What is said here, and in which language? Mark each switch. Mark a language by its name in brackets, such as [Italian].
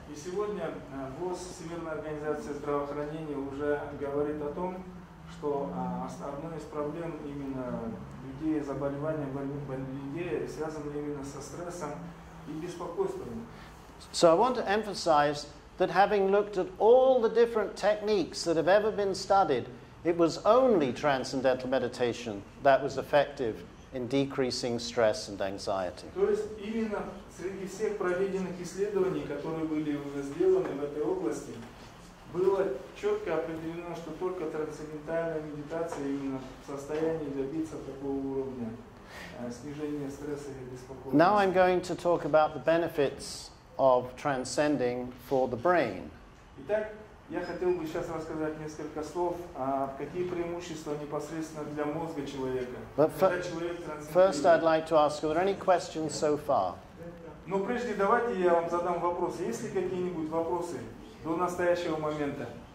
[Russian] И сегодня ВОЗ, Всемирная организация здравоохранения, уже говорит о том, что одной из проблем именно людей, заболевания людей, связано именно со стрессом и беспокойством. [English] So I want to emphasize that having looked at all the different techniques that have ever been studied, it was only transcendental meditation that was effective in decreasing stress and anxiety. [Russian] То есть именно среди всех проведенных исследований, которые были уже сделаны в этой области, было четко определено, что только трансцендентальная медитация именно в состоянии добиться такого уровня снижения стресса и беспокойства. [English] Now I'm going to talk about the benefits of transcending for the brain. [Russian] Итак, я хотел бы сейчас рассказать несколько слов о какие преимущества непосредственно для мозга человека. [English] But first, I'd like to ask, are there any questions so far? [Russian] Но прежде давайте я вам задам вопрос. Есть ли какие-нибудь вопросы до настоящего момента?